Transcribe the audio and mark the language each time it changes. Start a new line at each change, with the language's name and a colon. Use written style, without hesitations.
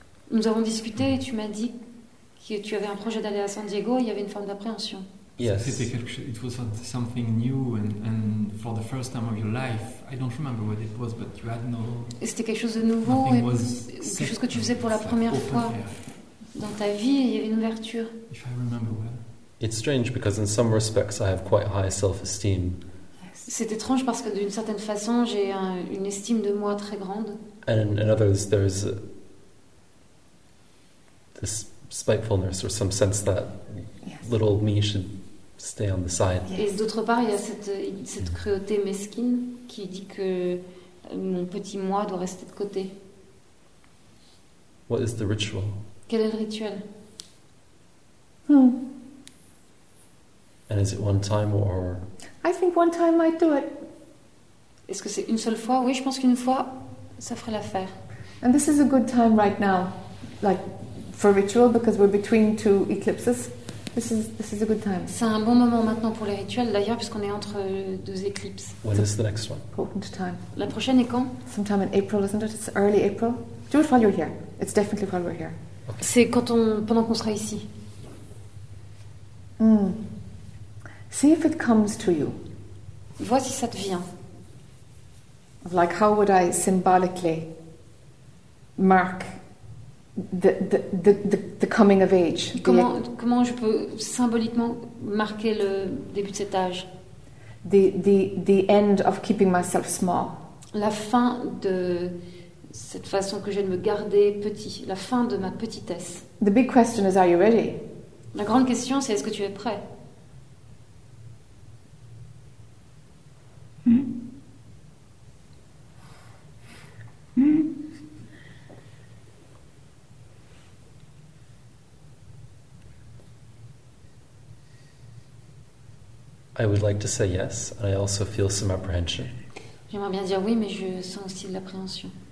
French: Nous avons discuté et tu m'as dit que tu avais un projet d'aller à San Diego et il y avait une forme d'appréhension.
English: Yes. It was something new and for the first time of your life. I don't remember what it was, but you had no.
French: Et c'était quelque chose de nouveau, quelque chose que tu faisais pour la première fois dans ta vie. Il y avait une ouverture.
English: If I remember well. It's strange because in some respects I have quite high self-esteem.
French: C'est étrange parce que d'une certaine façon j'ai une estime de moi très grande.
English: And in others there's this spitefulness or some sense that. Little me should stay on the side.
French: Et d'autre part, il y a cette cruauté mesquine qui dit que mon petit moi doit rester de côté.
English: What is the ritual?
French: Quel est le rituel?
English: And is it one time or? I think one time I do it.
French: Est-ce que c'est une seule fois? Oui, je pense qu'une fois, ça ferait l'affaire.
English: And this is a good time right now, like for ritual, because we're between two eclipses. This is a good time.
French: C'est un bon moment maintenant pour les rituels, d'ailleurs, puisqu'on est entre deux éclipses.
English: When is the next one? Important time.
French: La prochaine est quand?
English: Sometime in April, isn't it? It's early April. Do it while you're here. It's definitely while we're here.
French: Okay. C'est pendant qu'on sera ici.
English: See if it comes to you.
French: Vois si ça te vient.
English: Like, how would I symbolically mark the coming of age?
French: Comment je peux symboliquement marquer le début de cet âge?
English: The end of keeping myself small.
French: La fin de cette façon que j'ai de me garder petit. La fin de ma petitesse.
English: The big question is, are you ready?
French: La grande question, c'est est-ce que tu es prêt?
English: I would like to say yes, and I also feel some apprehension.
French: J'aimerais bien dire oui, mais je sens aussi de l'appréhension.